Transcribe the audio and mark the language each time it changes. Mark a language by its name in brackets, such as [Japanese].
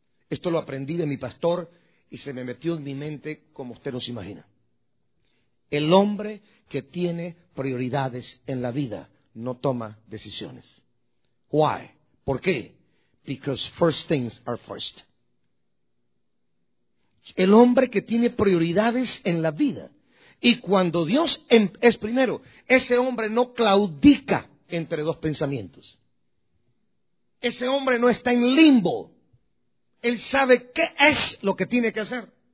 [Spanish] Esto lo aprendí de mi pastor y se me metió en mi mente como usted no se imagina. El hombre que tiene prioridades en la vida no toma decisiones. [English] Why? [Spanish] ¿Por qué? [English] Because first things are first. [Spanish] El hombre que tiene prioridades en la vida, y cuando Dios es primero, ese hombre no claudica entre dos pensamientos. Ese hombre no está en limbo. Él sabe qué es lo que tiene que hacer.